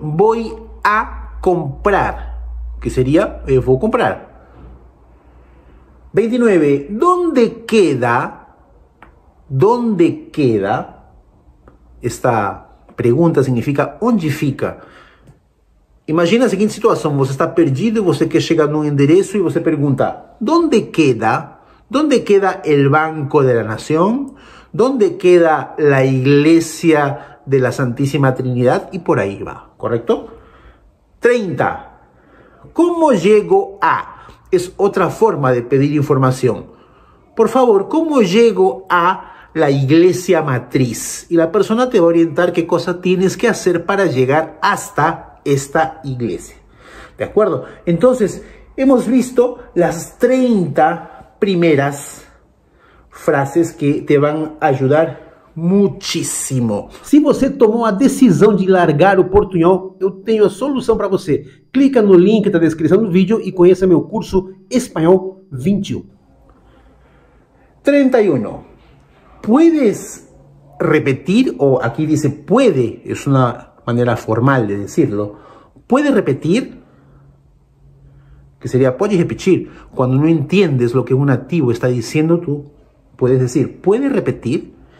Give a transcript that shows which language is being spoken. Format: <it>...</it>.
<es>Voy a comprar. ¿Qué sería? Voy a comprar. 29. ¿Dónde queda? ¿Dónde queda? Esta pregunta significa</es> <pt>¿dónde fica?</pt> <es>Imagina la siguiente situación.</es> <pt>Você está perdido y você quer chegar num endereço y você pregunta</pt> <es>¿dónde queda? ¿Dónde queda el Banco de la Nación? ¿Dónde queda la Iglesia de la Santísima Trinidad? Y por ahí va, ¿correcto? 30. ¿Cómo llego a? Es otra forma de pedir información. Por favor, ¿cómo llego a la iglesia matriz? Y la persona te va a orientar qué cosa tienes que hacer para llegar hasta esta iglesia. ¿De acuerdo? Entonces, hemos visto las 30 primeras frases que te van a ayudar muchísimo.</es> <pt>Si você tomou a decisão de largar o portunhol, eu tenho a solução para você. Clica no link da descrição do vídeo e conheça meu curso Espanhol 21.</pt> <es>31. Puedes repetir, o aquí dice puede, es una manera formal de decirlo. ¿Puede repetir? Que sería, puedes repetir. Cuando no entiendes lo que un nativo está diciendo, tú puedes decir, ¿puede repetir?</es>